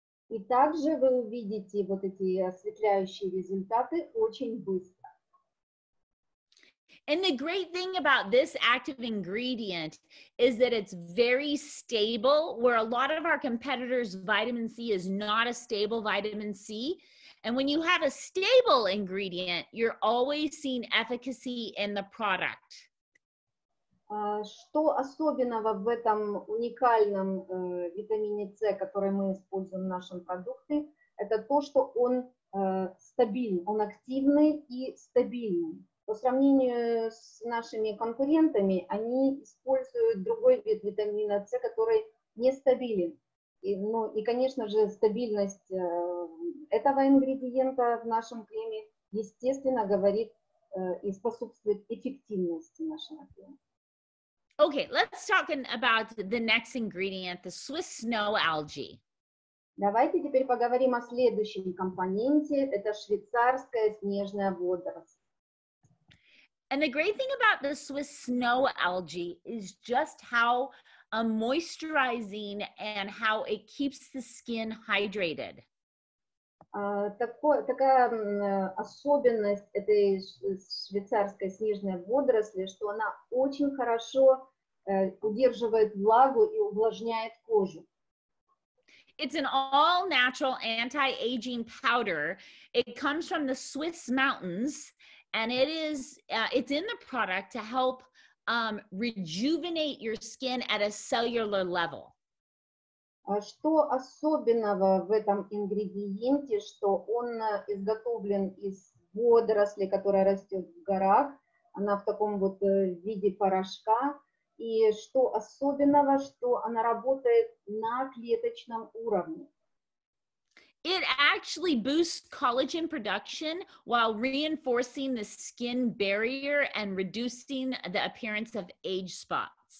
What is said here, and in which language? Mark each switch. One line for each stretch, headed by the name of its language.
Russian: И также вы увидите вот эти осветляющие результаты очень быстро.
English: And the great thing about this active ingredient is that it's very stable, where a lot of our competitors' vitamin C is not a stable vitamin C. And when you have a stable ingredient, you're always seeing efficacy in the product.
Russian: Что особенного в этом уникальном витамине С, который мы используем в нашем продукте, это то, что он стабильный, он активный и стабильный. По сравнению с нашими конкурентами, они используют другой вид витамина С, который нестабилен. И, ну, и конечно же, стабильность этого ингредиента в нашем креме, естественно, говорит и способствует эффективности нашего крема.
English: Okay, let's talk about the next ingredient, the Swiss snow algae.
Russian: Давайте теперь поговорим о следующем компоненте. Это швейцарская снежная водоросль.
English: And the great thing about the Swiss snow algae is just how moisturizing and how it keeps the skin hydrated.
Russian: Такая особенность этой швейцарской снежной водоросли, что она очень хорошо удерживает влагу и увлажняет кожу.
English: It's an all-natural anti-aging powder. It comes from the Swiss mountains, and it is it's in the product to help rejuvenate your skin at a cellular level.
Russian: Что особенного в этом ингредиенте, что он изготовлен из водоросли, которая растет в горах, она в таком вот виде порошка. И что особенного, что она работает на клеточном уровне.
English: It actually boosts collagen production while reinforcing the skin barrier and reducing the appearance of age spots.